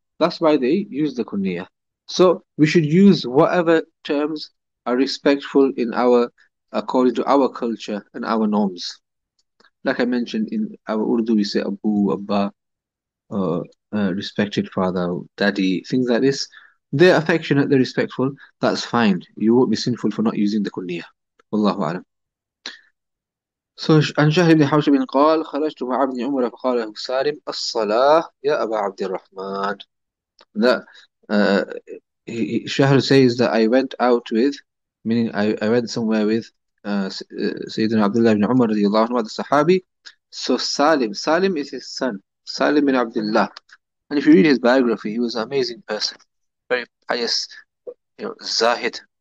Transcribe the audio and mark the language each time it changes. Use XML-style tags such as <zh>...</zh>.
<en>That's why they use the kunya. So we should use whatever terms are respectful in our according to our culture and our norms. Like I mentioned in our Urdu, we say Abu, Abba, respected father, daddy, things like this. They're affectionate, they're respectful. That's fine. You won't be sinful for not using the kunya. Wallahu a'lam.</en> <ar>So, عن شهر بن حوشب قال خرجت مع ابن عمر فقال له سالم الصلاة يا أبا عبد الرحمن.</ar> <en>That شهر says that I went out with, meaning I went somewhere with Sayyidina Abdullah ibn Umar radiallahu anhu, the Sahabi. So Salim is his son, Salim bin Abdullah. And if you read his biography, he was an amazing person, very pious, you know, Zahid.</en>